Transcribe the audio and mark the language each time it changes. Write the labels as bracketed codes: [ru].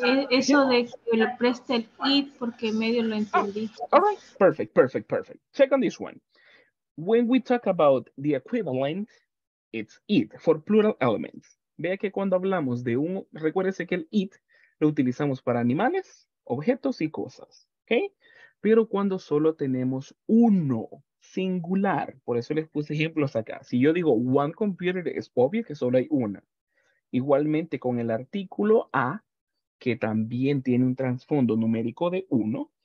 [es] Eso de que le preste el it porque medio lo entendí. [en] All right, perfect. Check on this one. When we talk about the equivalent, it's it for plural elements. [es] Vea que cuando hablamos de un, recuérdese que el it lo utilizamos para animales, objetos y cosas, ¿okay? Pero cuando solo tenemos uno singular, por eso les puse ejemplos acá. Si yo digo [en] one computer, [es] es obvio que solo hay una. Igualmente con el artículo a, que también tiene un trasfondo numérico de uno.